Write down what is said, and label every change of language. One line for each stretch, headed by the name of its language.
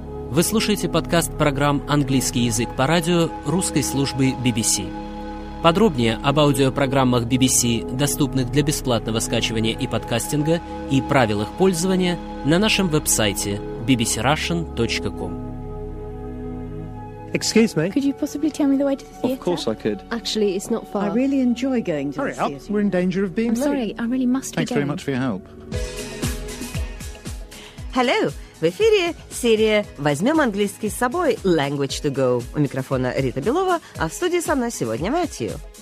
Russian: Вы слушаете подкаст программ «Английский язык» по радио русской службы BBC. Подробнее об аудиопрограммах BBC, доступных для бесплатного скачивания и подкастинга, и правилах пользования на нашем веб-сайте bbcrussian.com.
English: Excuse me. Could you possibly tell me the way to the theatre? Of course I could. Actually, it's not far. I really enjoy going to the theatre. Hurry up, we're in danger of being late. I'm sorry, I really must be going. Thanks very much for your help.
Russian: Hello, в эфире серия «Возьмем английский с собой» Language to Go. У микрофона Рита Белова, а в студии со мной сегодня Мэтью.